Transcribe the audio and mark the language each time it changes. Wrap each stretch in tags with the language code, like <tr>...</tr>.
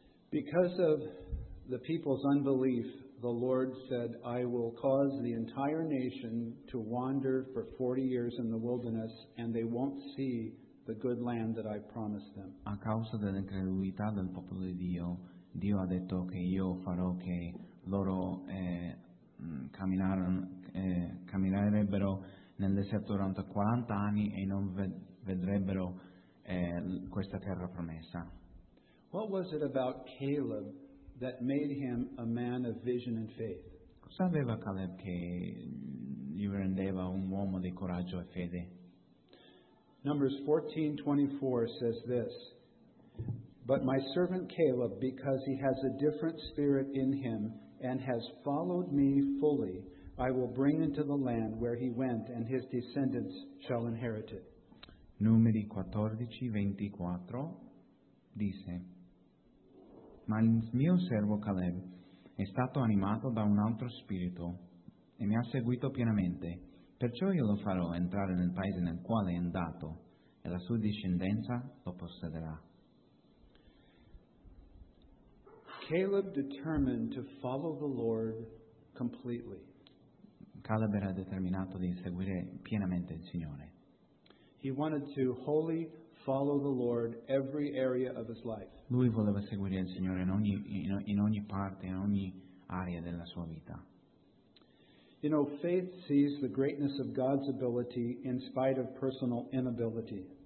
<en>Because of the people's unbelief, the Lord said, I will cause the entire nation to wander for 40 years in the wilderness and they won't see the good land that I promised them.</en> <it>A causa dell'incredulità del popolo di Dio, Dio ha detto che io farò che loro camminerebbero nel deserto durante 40 anni e non vedrebbero questa terra promessa.</it> <en>What was it about Caleb that made him a man of vision and faith?</en> <it>Cosa aveva Caleb che gli rendeva un uomo di coraggio e fede?</it> <en>Numbers 14:24 says this, but my servant Caleb, because he has a different spirit in him and has followed me fully, I will bring into the land where he went, and his descendants shall inherit it.</en> <it>Numeri 14:24 dice, ma il mio servo Caleb è stato animato da un altro spirito e mi ha seguito pienamente, perciò io lo farò entrare nel paese nel quale è andato e la sua discendenza lo possederà.</it> <en>Caleb determined to follow the Lord completely.</en> <it>Caleb era determinato di seguire pienamente il Signore.</it> <en>He wanted to wholly follow the Lord every area of his life.</en> <it>Lui voleva seguire il Signore in ogni parte, in ogni area della sua vita.</it> <en>You know, faith sees the greatness of God's ability in spite of personal inability.</en>